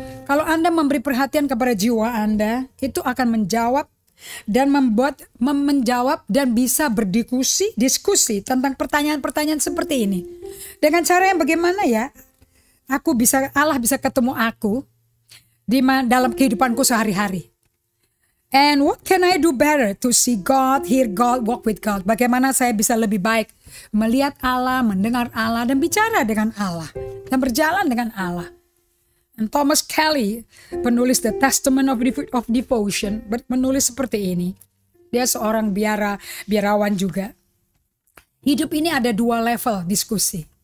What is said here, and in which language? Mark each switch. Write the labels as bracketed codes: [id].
[id] Kalau Anda memberi perhatian kepada jiwa Anda, itu akan menjawab dan menjawab dan bisa berdiskusi tentang pertanyaan-pertanyaan seperti ini. Dengan cara yang bagaimana ya? Allah bisa ketemu aku di dalam kehidupanku sehari-hari. [en] And what can I do better to see God, hear God, walk with God? [id] Bagaimana saya bisa lebih baik melihat Allah, mendengar Allah, dan bicara dengan Allah, dan berjalan dengan Allah. And Thomas Kelly, penulis The Testament of Devotion, menulis seperti ini. Dia seorang biarawan juga. Hidup ini ada dua level diskusi.